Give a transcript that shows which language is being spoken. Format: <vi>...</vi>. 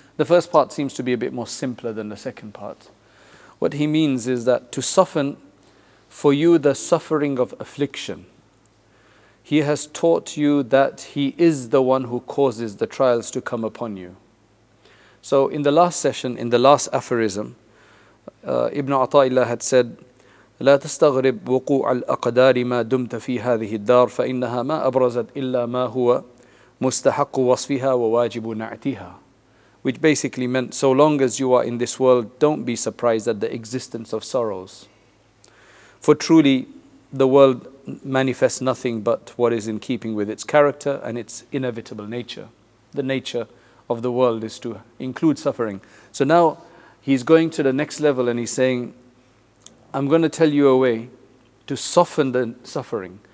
<en>The first part seems to be a bit more simpler than the second part. What he means is that to soften for you the suffering of affliction, he has taught you that he is the one who causes the trials to come upon you. So in the last session, in the last aphorism, Ibn Ata'illah had said,</en> <ar>لا تستغرب وقوع الأقدار ما دمت في هذه الدار فإنها ما أبرزت إلا ما هو مستحق وصفها وواجب نعتها.</ar> <en>Which basically meant, so long as you are in this world, don't be surprised at the existence of sorrows. For truly, the world manifests nothing but what is in keeping with its character and its inevitable nature. The nature of the world is to include suffering. So now he's going to the next level and he's saying, I'm going to tell you a way to soften the suffering.</en>